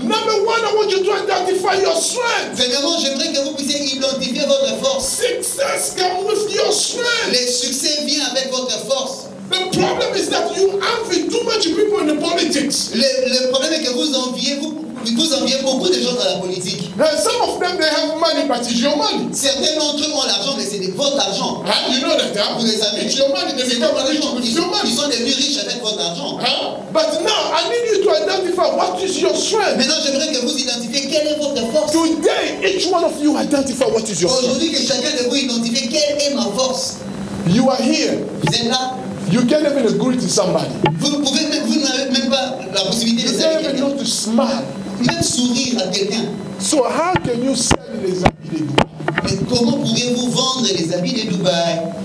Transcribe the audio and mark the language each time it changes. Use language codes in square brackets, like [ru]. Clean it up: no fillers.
[en] Number one, I want you to identify your strength. [fr] Premièrement, j'aimerais que vous puissiez identifier votre force. [en] Success comes with your strength. [fr] Le succès vient avec votre force. [en] The problem is that you envy too much people in the politics. [fr] Le problème est que vous enviez beaucoup de gens dans la politique. [en] And some of them they have money, but it's your money. [fr] Certains d'entre eux ont l'argent, mais c'est votre argent. [en] Huh? You know that, huh? [fr] Vous les avez. [en] It's your money. They become rich with your money. [fr] Ils sont devenus riches avec votre argent. Huh? [en] But now I need you to identify what is your strength. [fr] Maintenant, j'aimerais que vous identifiez quelle est votre force. [en] Today, each one of you identify what is your [fr] aujourd'hui, [en] strength. [fr] Aujourd'hui, que chacun de vous identifie quelle est ma force. [en] You are here. [fr] Vous êtes là. [en] You can't even agree to somebody. [fr] Vous n'avez même pas la possibilité [en] you [fr] de [en] can't even know to smile. [fr] Même sourire à quelqu'un. [en] So how can you sell [fr] les habits de Dubaï? Mais comment pourriez-vous vendre les habits de Dubaï?